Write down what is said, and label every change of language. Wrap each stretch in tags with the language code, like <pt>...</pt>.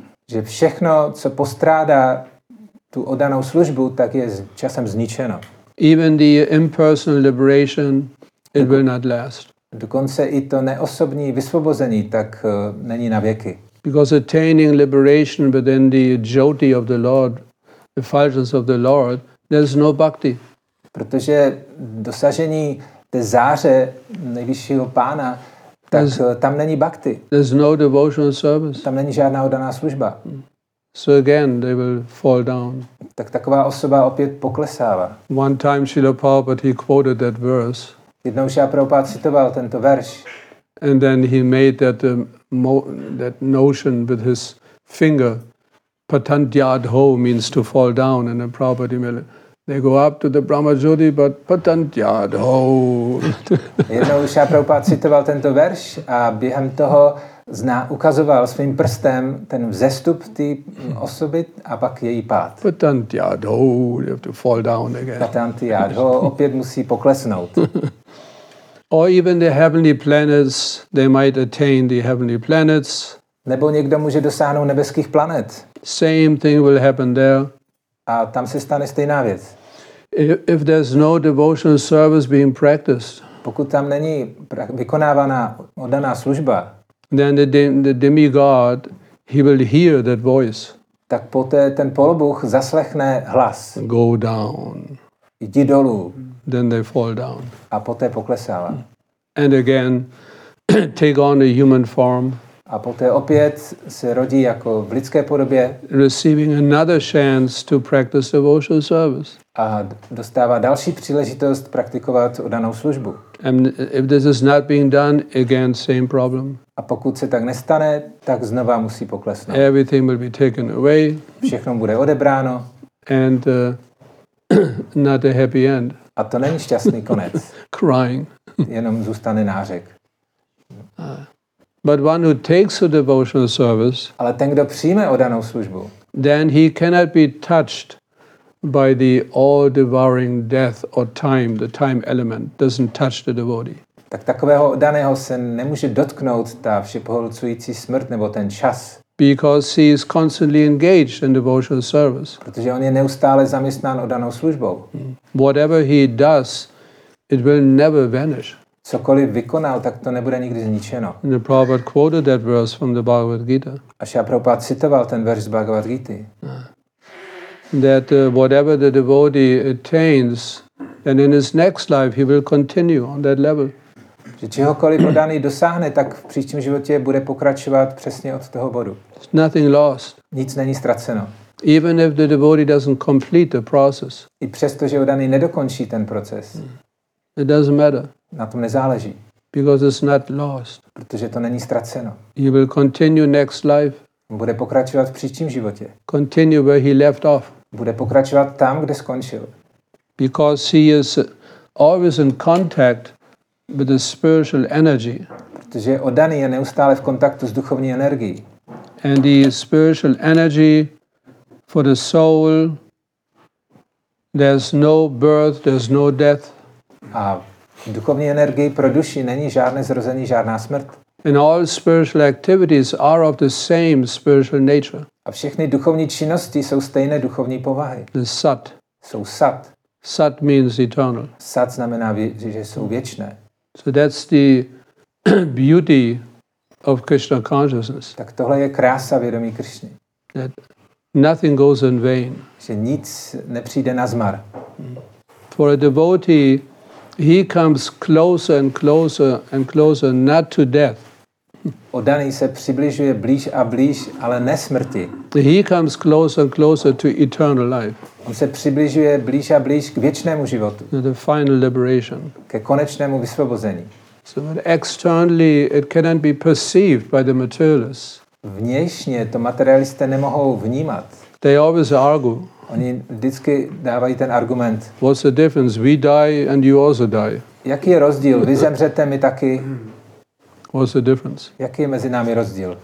<cs>Že všechno, co postrádá tu oddanou službu, tak je časem zničeno.</cs> <en>Even the impersonal liberation, it will not last.</en> <cs>Dokonce i to neosobní vysvobození, tak není na věky.</cs> <en>Because attaining liberation within the jyoti of the Lord, the fulgence of the Lord, there's no bhakti.</en> <cs>Protože dosažení té záře nejvyššího pána, tak tam není bhakti.</cs> <en>There's no devotional service.</en> <cs>Tam není žádná oddaná služba.</cs> <en>So again, they will fall down.</en> <cs>Tak taková osoba opět poklesává.</cs> <en>One time Srila Prabhupada, he quoted that verse.</en> <cs>Jednou Srila Prabhupada citoval tento verš.</cs> <en>And then he made that that notion with his finger. Patantyadho means to fall down, and then Prabhupada made it. They go up to the Brahmajyoti, but patantyadho.</en> <cs>Jednou Srila Prabhupada citoval tento verš a během toho ukazoval svým prstem ten vzestup té osoby a pak její pád.</cs> <en>Patantyadho, you have to fall down again.</en> <cs>Patantyadho, opět musí poklesnout.</cs> <en>Or even the heavenly planets, they might attain the heavenly planets.</en> <cs>Nebo někdo může dosáhnout nebeských planet.</cs> <en>Same thing will happen there.</en> <cs>A tam se stane stejná věc.</cs> <en>If there's no devotional service being practiced,</en> <cs>pokud tam není vykonávaná oddaná služba,</cs> <en>then the demigod, he will hear that voice.</en> <cs>Tak poté ten polobůh zaslechne hlas.</cs> <en>Go down.</en> <cs>Jdi dolů.</cs> <en>Then they fall down.</en> <cs>A poté poklesává.</cs> <en>And again, take on a human form.</en> <cs>A poté opět se rodí jako v lidské podobě.</cs> <en>Receiving another chance to practice devotional service.</en> <cs>A dostává další příležitost praktikovat oddanou službu.</cs> <en>And if this is not being done, again, same problem.</en> <cs>A pokud se tak nestane, tak znova musí poklesnout.</cs> <en>Everything will be taken away.</en> <cs>Všechno bude odebráno.</cs> <en>And not a happy end.</en> <cs>A to není šťastný konec.</cs> <en>Crying.</en> <cs>Jenom zůstane nářek.</cs> <en>But one who takes a devotional service,</en> <cs>ale ten, kdo přijme oddanou službu,</cs> <en>then he cannot be touched by the all-devouring death or time. The time element doesn't touch the devotee.</en> <cs>Tak takového oddaného se nemůže dotknout ta všepohlcující smrt nebo ten čas.</cs> <en>Because he is constantly engaged in devotional service.</en> <cs>Protože on je neustále zaměstnán oddanou službou.</cs> <en>Whatever he does, it will never vanish.</en> <cs>Cokoliv vykonal, tak to nebude nikdy zničeno.</cs> <en>The Prabhupada quoted that verse from the Bhagavad Gita.</en> <cs>A Srila Prabhupada citoval ten verš z Bhagavad Gita.</cs> <en>That whatever the devotee attains, then in his next life he will continue on that level.</en> <cs>Že čehokoliv oddaný dosáhne, tak v příštím životě bude pokračovat přesně od toho bodu.</cs> <en>Nothing lost.</en> <cs>Nic není ztraceno.</cs> <en>Even if the devotee doesn't complete the process.</en> <cs>I přesto, že oddaný nedokončí ten proces.</cs> <en>It doesn't matter.</en> <cs>Na tom nezáleží.</cs> <en>Because it's not lost.</en> <cs>Protože to není ztraceno.</cs> <en>He will continue next life.</en> <cs>Bude pokračovat v příštím životě.</cs> <en>Continue where he left off.</en> <cs>Bude pokračovat tam, kde skončil.</cs> <en>Because he is always in contact with the spiritual energy.</en> <cs>Protože oddaný je neustále v kontaktu s duchovní energií.</cs> <en>And the spiritual energy for the soul, there's no birth, there's no death.</en> <cs>A duchovní energie pro duši není žádné zrození, žádná smrt.</cs> <en>And all spiritual activities are of the same spiritual nature.</en> <cs>A všechny duchovní činnosti jsou stejné duchovní povahy.</cs> <en>The sat.</en> <cs>Jsou sat.</cs> <en>Sat means eternal.</en> <cs>Sat znamená, že jsou věčné.</cs> <en>So that's the beauty of Krishna consciousness.</en> <cs>Tak tohle je krása vědomí Krišny.</cs> <en>That nothing goes in vain.</en> <cs>Že nic nepřijde nazmar.</cs> <en>For a devotee, he comes closer and closer and closer, not to death.</en> <cs>Oddaný se přibližuje blíž a blíž, ale ne smrti.</cs> <en>He comes closer and closer to eternal life.</en> <cs>On se přibližuje blíž a blíž k věčnému životu.</cs> <en>The final liberation.</en> <cs>Ke konečnému vysvobození.</cs> <en>So externally it cannot be perceived by the materialists.</en> <cs>Vnějšně to materialisté nemohou vnímat.</cs> <en>They always argue.</en> <cs>Oni vždycky dávají ten argument.</cs> <en>What's the difference? We die and you also die.</en> <cs>Jaký je rozdíl? Vy zemřete, my taky.</cs> <en>What's the difference?</en> <cs>Jaký je mezi námi rozdíl?</cs>